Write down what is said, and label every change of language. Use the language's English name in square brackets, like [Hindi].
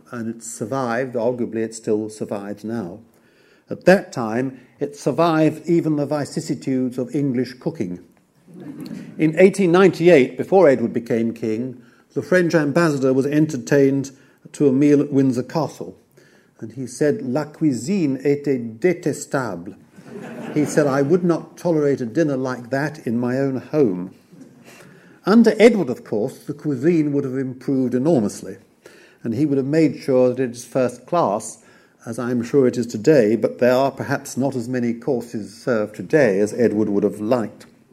[English] And it survived, arguably it still survives now. At that time, it survived even the vicissitudes of English cooking. In 1898, before Edward became king, the French ambassador was entertained to a meal at Windsor Castle. And he said, [French] la cuisine était détestable. [English] He said, I would not tolerate a dinner like that in my own home. Under Edward, of course, the cuisine would have improved enormously. And he would have made sure that it is first class, as I'm sure it is today, but there are perhaps not as many courses served today as Edward would have liked.